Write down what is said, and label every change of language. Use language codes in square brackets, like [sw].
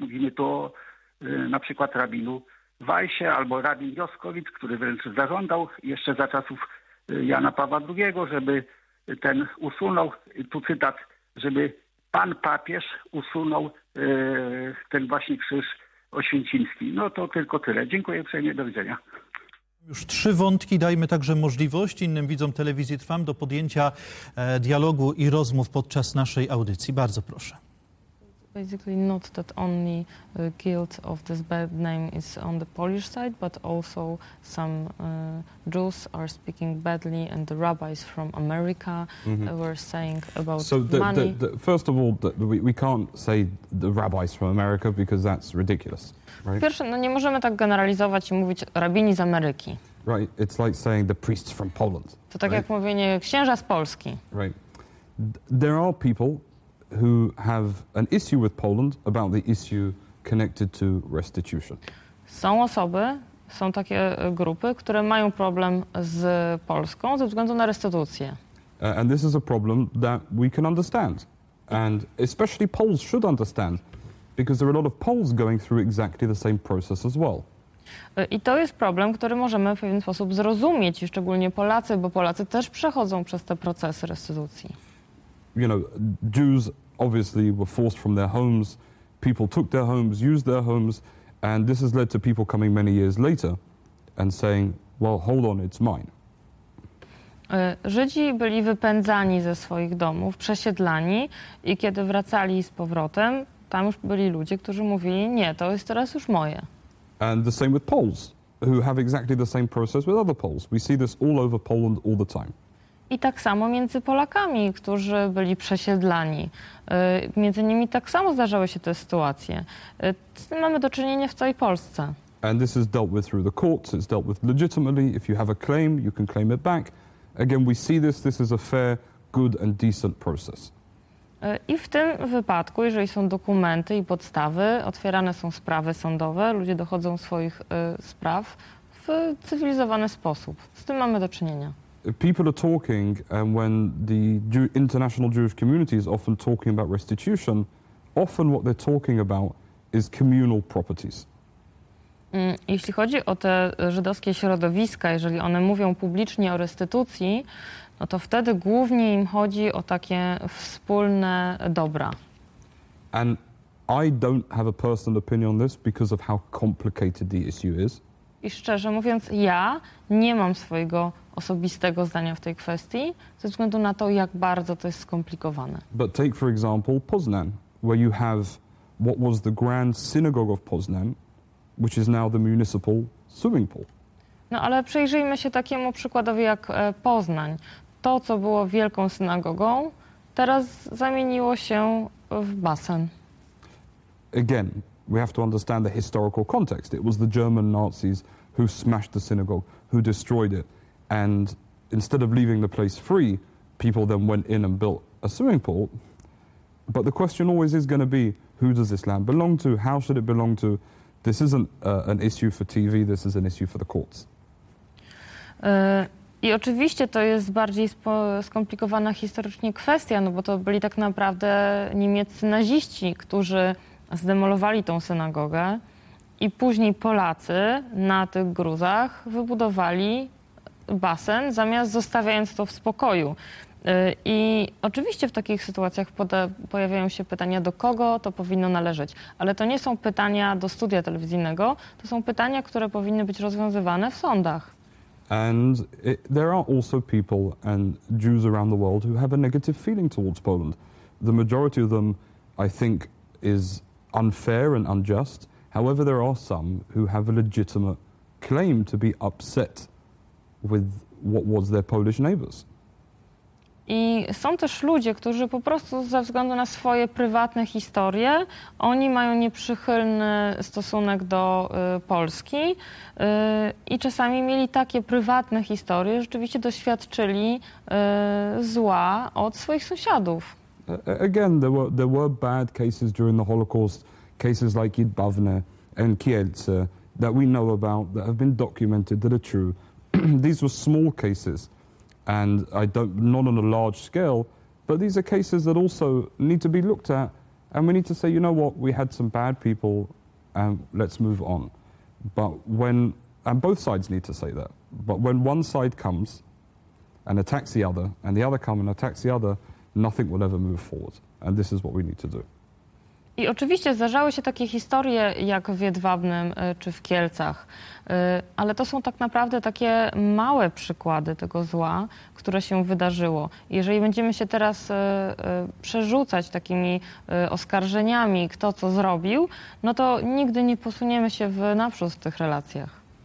[pl] Mówimy tu o na przykład rabinu Weissie albo rabin Joskowicz, który wręcz zażądał jeszcze za czasów Jana Pawła II, żeby ten usunął, tu cytat, żeby pan papież usunął ten właśnie krzyż oświęciński. No to tylko tyle. Dziękuję uprzejmie, do widzenia. Już trzy wątki, dajmy także możliwość innym widzom telewizji Trwam do podjęcia dialogu i rozmów podczas naszej audycji. Bardzo proszę. [en] Basically not that only guilt of this bad name is on the Polish side, but also some Jews are speaking badly and the rabbis from America were saying about so the, money. So first of all, we can't say the rabbis from America because that's ridiculous. Right? [pl] Pierwsze, no nie możemy tak generalizować i mówić rabini z Ameryki. [en] Right, it's like saying the priests from Poland. [pl] To tak [en] right? [pl] jak mówienie księża z Polski. [en] Right. There are people who have an issue with Poland about the issue connected to restitution. [pl] Są osoby, są takie grupy, które mają problem z Polską ze względu na restytucję. [en] And this is a problem that we can understand. And especially Poles should understand, because there are a lot of Poles going through exactly the same process as well. [pl] I to jest problem, który możemy w pewien sposób zrozumieć, szczególnie Polacy, bo Polacy też przechodzą przez te procesy restytucji. [en] You know, Jews obviously were forced from their homes, people took their homes, used their homes, and this has led to people coming many years later and saying, well, hold on, it's mine. [pl] Żydzi byli wypędzani ze swoich domów, przesiedlani i kiedy wracali z powrotem, tam już byli ludzie, którzy mówili, nie, to jest teraz już moje. [en] And the same with Poles, who have exactly the same process with other Poles. We see this all over Poland all the time. [pl] I tak samo między Polakami, którzy byli przesiedlani. Między nimi tak samo zdarzały się te sytuacje. Mamy do czynienia w całej Polsce. [en] And this is dealt with through the courts, it's dealt with legitimately. If you have a claim, you can claim it back. Again, we see this, this is a fair, good and decent process. [pl] I w tym wypadku, jeżeli są dokumenty i podstawy, otwierane są sprawy sądowe, ludzie dochodzą swoich spraw w cywilizowany sposób. Z tym mamy do czynienia. [en] People are talking, and when the international Jewish community is often talking about restitution, often what they're talking about is communal properties. [pl] Jeśli chodzi o te żydowskie środowiska, jeżeli one mówią publicznie o restytucji, no to wtedy głównie im chodzi o takie wspólne dobra. [en] And I don't have a personal opinion on this because of how complicated the issue is. [pl] I szczerze mówiąc, ja nie mam swojego osobistego zdania w tej kwestii, ze względu na to, jak bardzo to jest skomplikowane. [en] But take for example Poznan, where you have what was the Grand Synagogue of Poznan, which is now the municipal swimming pool. [pl] No ale przyjrzyjmy się takiemu przykładowi jak Poznań. To, co było wielką synagogą, teraz zamieniło się w basen. [en] Again, we have to understand the historical context. It was the German Nazis who smashed the synagogue, who destroyed it. And instead of leaving the place free, people then went in and built a swimming pool. But the question always is going to be, who does this land belong to? How should it belong to? This isn't an issue for TV, this is an issue for the courts. [pl] I oczywiście to jest bardziej skomplikowana historycznie kwestia, no bo to byli tak naprawdę niemieccy naziści, którzy zdemolowali tą synagogę i później Polacy na tych gruzach wybudowali basen, zamiast zostawiając to w spokoju. I oczywiście w takich sytuacjach pojawiają się pytania, do kogo to powinno należeć. Ale to nie są pytania do studia telewizyjnego, to są pytania, które powinny być rozwiązywane w sądach. [en] And there are also people and Jews around the world who have a negative feeling towards Poland. The majority of them, I think, is unfair and unjust. However, there are some who have a legitimate claim to be upset with what was their Polish neighbors. [pl] I są też ludzie, którzy po prostu ze względu na swoje prywatne historie, oni mają nieprzychylny stosunek do Polski i czasami mieli takie prywatne historie, rzeczywiście doświadczyli zła od swoich sąsiadów. [en] Again, there were bad cases during the Holocaust, cases like Jedwabne and Kielce that we know about, that have been documented, that are true. These were small cases, and not on a large scale, but these are cases that also need to be looked at, and we need to say, you know what, we had some bad people, and let's move on. And both sides need to say that, but when one side comes and attacks the other, and the other come and attacks the other, nothing will ever move forward, and this is what we need to do. [pl] I oczywiście zdarzały się takie historie jak w Jedwabnym czy w Kielcach, ale to są tak naprawdę takie małe przykłady tego zła, które się wydarzyło. Jeżeli będziemy się teraz przerzucać takimi oskarżeniami, kto co zrobił, no to nigdy nie posuniemy się w naprzód w tych relacjach.